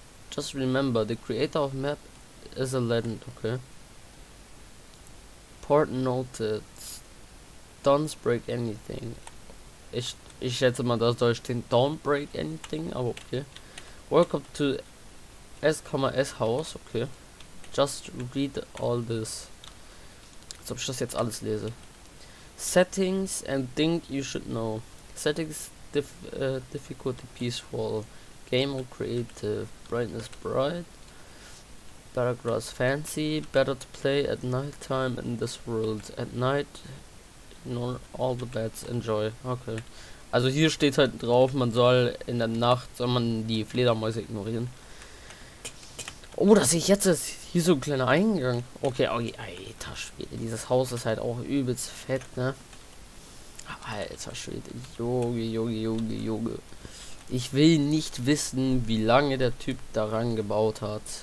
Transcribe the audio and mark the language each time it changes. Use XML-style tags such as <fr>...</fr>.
<en>Just remember, the creator of map. Is a legend, okay. Port noted. Don't break anything.</en> <de>Ich schätze mal, das soll stehen.</de> <en>Don't break anything,</en> <de>aber okay.</de> <en>Welcome to S,S House, okay. Just read all this.</en> <de>Als ob ich das jetzt alles lese.</de> <en>Settings and things you should know. Settings difficulty peaceful. Game on creative. Brightness bright. Better grass fancy, better to play at night time in this world. At night, ignore all the bats, enjoy. Okay.</en> <de>Also hier steht halt drauf, man soll in der Nacht, soll man die Fledermäuse ignorieren. Oh, das sehe ich jetzt. Ist hier so ein kleiner Eingang. Okay, Alter Schwede, dieses Haus ist halt auch übelst fett, ne? Alter Schwede, Junge, Junge, Junge, Junge. Ich will nicht wissen, wie lange der Typ daran gebaut hat.</de>